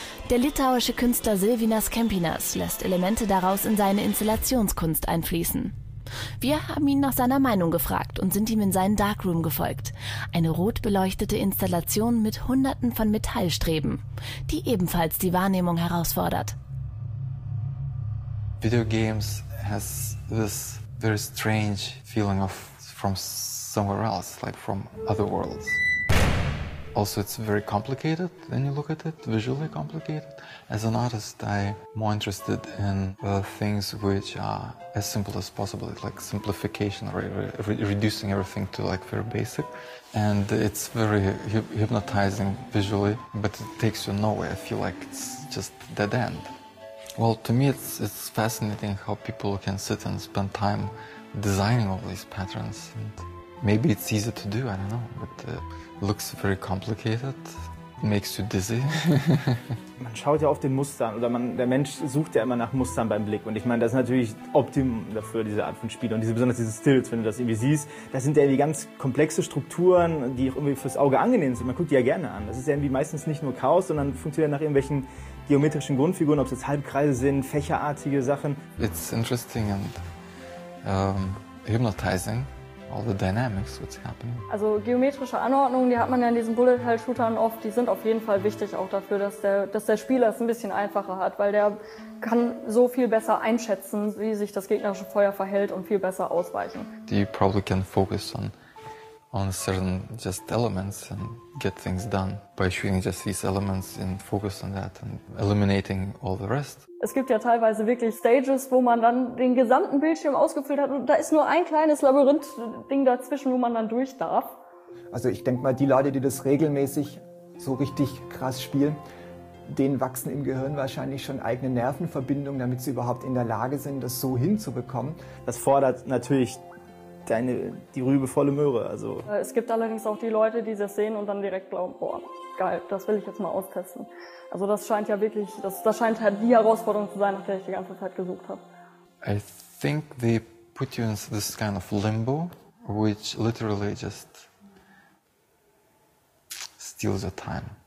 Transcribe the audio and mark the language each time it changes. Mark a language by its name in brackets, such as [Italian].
[German] Der litauische Künstler Silvinas Kempinas lässt Elemente daraus in seine Installationskunst einfließen. Wir haben ihn nach seiner Meinung gefragt und sind ihm in seinen Darkroom gefolgt. Eine rot beleuchtete Installation mit hunderten von Metallstreben, die ebenfalls die Wahrnehmung herausfordert. [English] Video games has this very strange feeling of from somewhere else, like from other worlds. also it's very complicated when you look at it, visually complicated. As an artist, I'm more interested in things which are as simple as possible, like simplification or reducing everything to like very basic. And it's very hypnotizing visually, but it takes you nowhere. I feel like it's just dead end. Well, to me, it's fascinating how people can sit and spend time designing all these patterns. And maybe it's easy to do, I don't know, but it looks very complicated. Makes you dizzy. [German] Man schaut ja auf den Mustern, oder man, der Mensch sucht ja immer nach Mustern beim Blick. Und ich meine, das ist natürlich optimum dafür, diese Art von Spiel. Und diese, besonders diese Stills, wenn du das irgendwie siehst, das sind ja irgendwie ganz komplexe Strukturen, die auch irgendwie fürs Auge angenehm sind. Man guckt die ja gerne an. Das ist ja irgendwie meistens nicht nur Chaos, sondern funktioniert nach irgendwelchen geometrischen Grundfiguren, ob es jetzt Halbkreise sind, fächerartige Sachen. [English] It's interesting and hypnotizing. All the dynamics, what's happening. [German] Also geometrische Anordnungen, die hat man ja in diesen Bullet-Hell-Shootern oft, die sind auf jeden Fall wichtig auch dafür, dass der Spieler es ein bisschen einfacher hat, weil der kann so viel besser einschätzen, wie sich das gegnerische Feuer verhält und viel besser ausweichen. [English] You probably can focus on certain just elements and get things done by shooting just these elements and focus on that and eliminating all the rest. [German] Es gibt ja teilweise wirklich Stages, wo man dann den gesamten Bildschirm ausgefüllt hat und da ist nur ein kleines Labyrinth-Ding dazwischen, wo man dann durch darf. Also ich denke mal, die Leute, die das regelmäßig so richtig krass spielen, denen wachsen im Gehirn wahrscheinlich schon eigene Nervenverbindungen, damit sie überhaupt in der Lage sind, das so hinzubekommen. Das fordert natürlich die Rübe volle Möhre. Also. Es gibt allerdings auch die Leute, die das sehen und dann direkt glauben, boah, geil, das will ich jetzt mal austesten. Also das scheint ja wirklich, das scheint halt die Herausforderung zu sein, nach der ich die ganze Zeit gesucht habe. [English] I think they put you in this kind of limbo, which literally just steals your time.